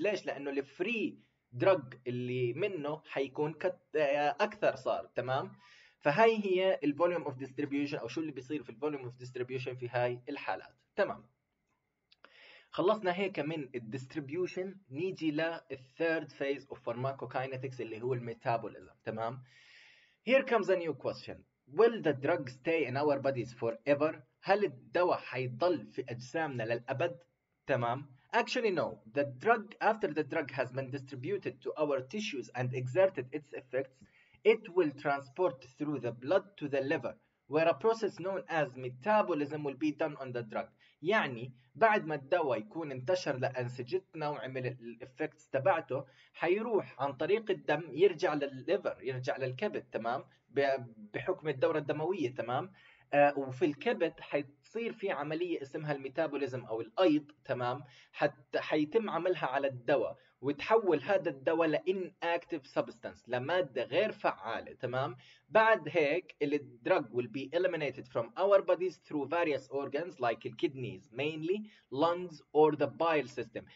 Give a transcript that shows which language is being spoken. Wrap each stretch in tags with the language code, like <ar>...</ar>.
<ar>ليش؟ لأنه الفري درج اللي منه حيكون أكثر صار، تمام؟ فهاي هي الفوليوم اوف ديستريبيوشن أو شو اللي بيصير في الفوليوم اوف ديستريبيوشن في هاي الحالات، تمام؟ خلصنا هيك من الديستريبيوشن، نيجي للثيرد فيز اوف فارماكوكاينتكس اللي هو الميتابوليزم، تمام؟</ar> <en>Here comes a new question. Will the drug stay in our bodies forever؟</en> <ar>هل الدواء حيضل في أجسامنا للأبد؟ تمام؟</ar> <en>Actually no. The drug, after the drug has been distributed to our tissues and exerted its effects, it will transport through the blood to the liver, where a process known as metabolism will be done on the drug.</en> <ar>يعني بعد ما الدواء يكون انتشر لأنسجتنا وعمل الإفكتس تبعته حيروح عن طريق الدم يرجع للليفر، يرجع للكبد، تمام؟ بحكم الدورة الدموية، تمام؟ وفي الكبد حيصير في عملية اسمها الميتابوليزم أو الأيض، تمام؟ حتى حيتم عملها على الدواء وتحول هذا الدواء لإنactive substance، لمادة غير فعالة، تمام؟ بعد هيك الدرج</ar> <en>will be eliminated from our bodies through various organs like the kidneys mainly, lungs or the bile system.</en>